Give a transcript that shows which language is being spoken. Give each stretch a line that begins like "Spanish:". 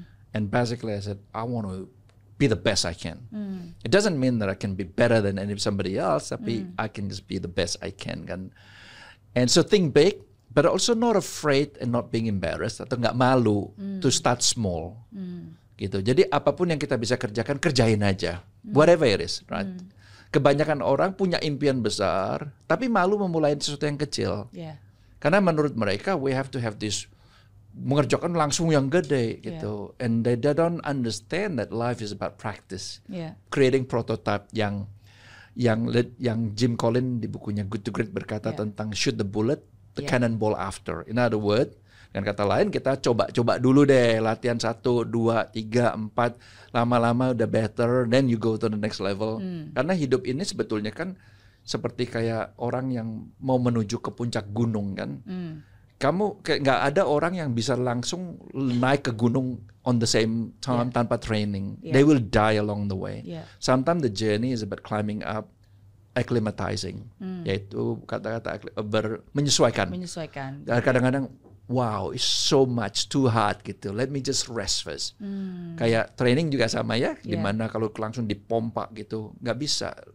English: And basically I said, I want to be the best I can. It doesn't mean that I can be better than somebody else,
Indonesian: tapi
English: I can just be the best I can. Kan? And so think big, but also not afraid and not being embarrassed,
Indonesian: atau gak malu
English: to start small.
Indonesian: Gitu. Jadi apapun yang kita bisa kerjakan, kerjain aja.
English: Whatever it is, right?
Indonesian: Kebanyakan orang punya impian besar, tapi malu memulai sesuatu yang kecil.
English: Yeah.
Indonesian: Karena menurut mereka,
English: we have to have this
Indonesian: mengerjakan langsung yang gede gitu, yeah.
English: And they don't understand that life is about practice, yeah. Creating prototype yang Jim Collins di bukunya Good to Great
Indonesian: berkata tentang
English: shoot the bullet, the cannonball after. In other words,
Indonesian: dengan kata lain kita coba dulu deh, latihan 1, 2, 3, 4, lama-lama udah
English: better, then you go to the next level.
Indonesian: Karena hidup ini sebetulnya kan seperti kayak orang yang mau menuju ke puncak gunung kan. Kamu kayak nggak ada orang yang bisa langsung naik ke gunung
English: on the same time
Indonesian: tanpa training.
English: Yeah. They will die along the way. Yeah. Sometimes the journey is about climbing up, acclimatizing,
Indonesian: yaitu kata-kata menyesuaikan. Menyesuaikan.
English: Kadang-kadang, wow, it's so much too hard gitu. Let me just rest first.
Indonesian: Kayak training juga sama ya, dimana kalau langsung dipompa gitu nggak bisa.